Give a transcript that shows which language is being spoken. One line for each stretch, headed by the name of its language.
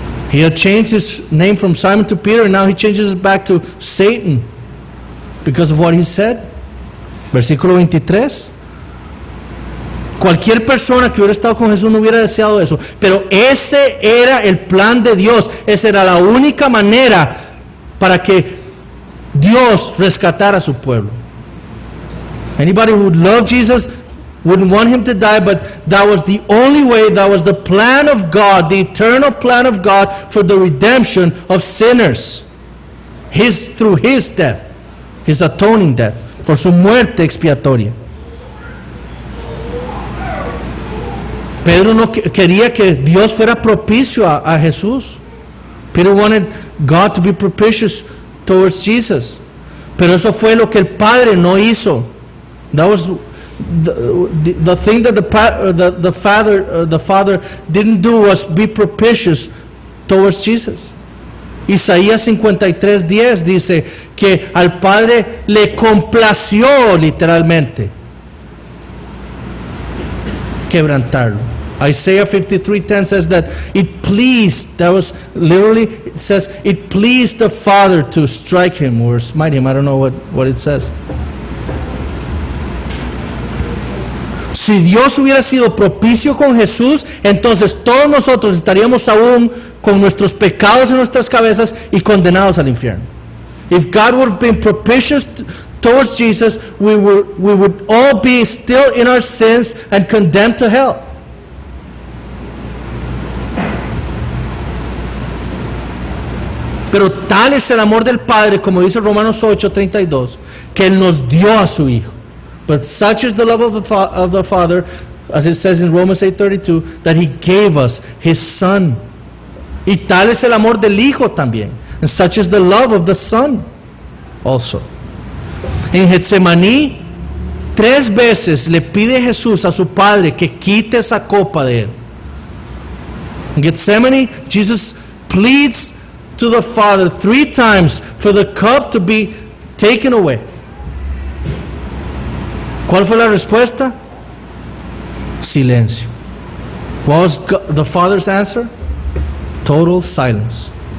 English: He had changed his name from Simon to Peter, and now he changes it back to Satan because of what he said.
Spanish: Versículo 23. Cualquier persona que hubiera estado con Jesús no hubiera deseado eso. Pero ese era el plan de Dios. Esa era la única manera para que Dios rescatara a su pueblo.
English: Anybody who loved Jesus wouldn't want him to die, but that was the only way, that was the plan of God, the eternal plan of God for the redemption of sinners. Through his death, his atoning death,
Spanish: por su muerte expiatoria. Pedro no quería que Dios fuera propicio a Jesús.
English: Peter wanted God to be propitious towards Jesus.
Spanish: Pero eso fue lo que el Padre no hizo.
English: That was the thing that the father didn't do, was be propitious towards Jesus.
Spanish: Isaías 53:10 dice que al Padre le complació literalmente quebrantarlo.
English: Isaiah 53:10 says that it pleased, that was literally, it says, it pleased the Father to strike him or smite him. I don't know what it says.
Spanish: Si Dios hubiera sido propicio con Jesús, entonces todos nosotros estaríamos aún con nuestros pecados en nuestras cabezas y condenados al infierno.
English: If God would have been propitious towards Jesus, we would all be still in our sins and condemned to hell.
Spanish: Pero tal es el amor del Padre, como dice Romanos 8:32, que Él nos dio a su Hijo.
English: But such is the love of the Father, as it says in Romans 8:32, that He gave us His Son.
Spanish: Y tal es el amor del Hijo también.
English: And such is the love of the Son also.
Spanish: En Getsemaní, tres veces le pide Jesús a su Padre que quite esa copa de él.
English: In Getsemaní, Jesus pleads to the Father three times for the cup to be taken away.
Spanish: ¿Cuál fue la respuesta? Silencio.
English: What was the Father's answer? Total silence.